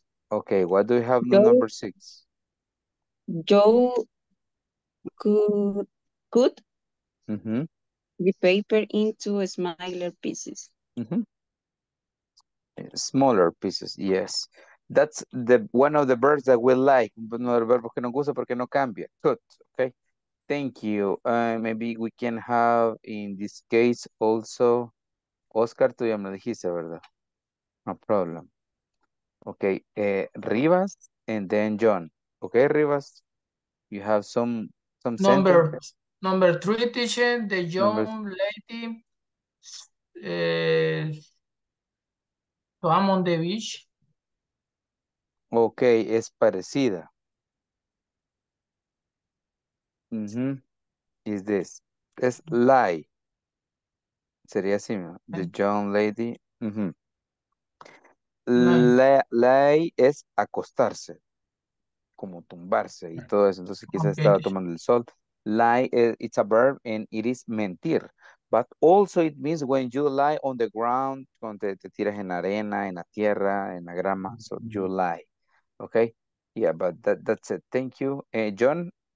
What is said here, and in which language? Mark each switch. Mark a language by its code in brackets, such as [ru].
[en] Okay, what do we have in number 6? Joe could the paper into smaller pieces. Mm-hmm. Smaller pieces, yes. That's the one of the verbs that we like. [es] Uno de los verbos que nos gusta porque no cambia. [en] Good. Okay. Thank you. Maybe we can have in this case also Oscar, [es] tú ya me dijiste, ¿verdad? [en] No problem. Okay. Rivas and then John. Okay, Rivas. You have some number sentences. Number 3, teacher, the young lady swam on the beach. [es] Okay, es parecida. Mm-hmm. [en] Is this? [es] Es lie. Sería así, ¿no? [en] The young lady. Mm-hmm. [es] Lie es acostarse, como tumbarse y todo eso. Entonces quizás okay. Estaba tomando el sol. [en] Lie, it's a verb and it is mentir. But also it means when you lie on the ground, [es] cuando te tiras en arena, en la tierra, en la grama. [en] So you lie. Okay, yeah, but that's it. Thank you, John.